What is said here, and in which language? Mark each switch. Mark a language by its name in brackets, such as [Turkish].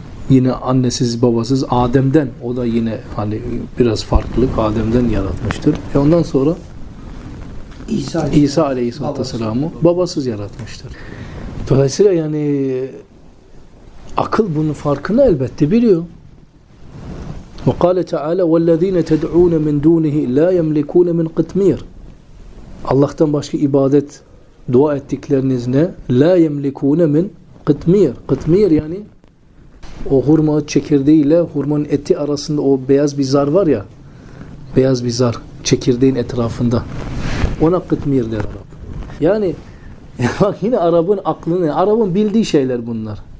[Turkish] yine annesiz babasız Adem'den, o da yine hani biraz farklılık Adem'den yaratmıştır. E ondan sonra İsa Aleyhisselam'ı babasız yaratmıştır. Dolayısıyla yani akıl bunun farkını elbette biliyor. [Arabic] وقال تعالى والذين تدعون من دونه لا يملكون من قطمير. [Turkish] Allah'tan başka ibadet dua ettikleriniz ne? [Arabic] La yemlikune min kıtmir. [Turkish] Kıtmir yani o hurma çekirdeğiyle hurmanın eti arasında o beyaz bir zar var ya, beyaz bir zar çekirdeğin etrafında. Ona kıtmir der Arap. Yani bak yine Arap'ın aklını, Arap'ın bildiği şeyler bunlar.